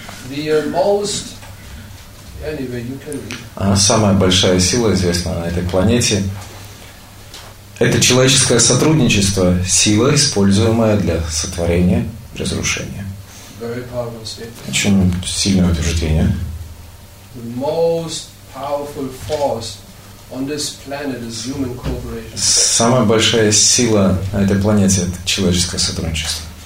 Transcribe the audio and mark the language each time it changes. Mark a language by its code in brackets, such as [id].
[en] The most, anyway, you can read. [ru] Самая большая сила, известная на этой планете, это человеческое сотрудничество, сила, используемая для сотворения и разрушения. [en] Very powerful statement. [ru] Очень сильное утверждение. [en] The most powerful force on this planet is human cooperation. [ru] Самая большая сила на этой планете – это человеческое сотрудничество.